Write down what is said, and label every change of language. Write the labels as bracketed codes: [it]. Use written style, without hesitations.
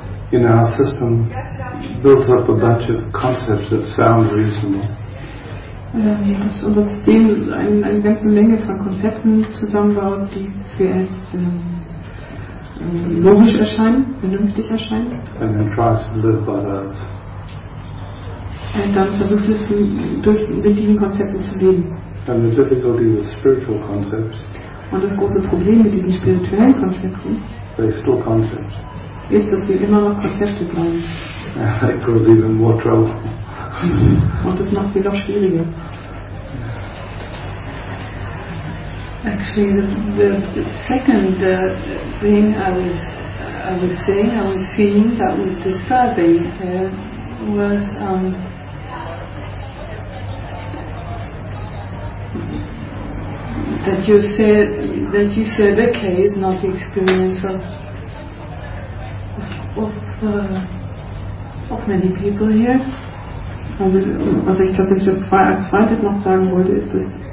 [en] in our system, builds up a bunch of concepts that sound reasonable. [de] Dass unser System eine ganze Menge von Konzepten zusammenbaut, die für es logisch erscheinen, vernünftig erscheinen. [en] And then tries to live by those. [de] Und dann versucht es durch richtigen Konzepten zu leben. [en] And the difficulty with spiritual concepts. [de] Und das große Problem mit diesen spirituellen Konzepten. [en] They still concepts. [de] Ist, dass sie immer noch Konzepte bleiben. [en] It causes even more trouble. [de] Und das macht sie noch schwieriger. [en] Actually, the second thing I was seeing that was disturbing was that you said okay is not the experience of many people here. [de] Also, was ich glaube, ich als zweites noch sagen wollte, ist das.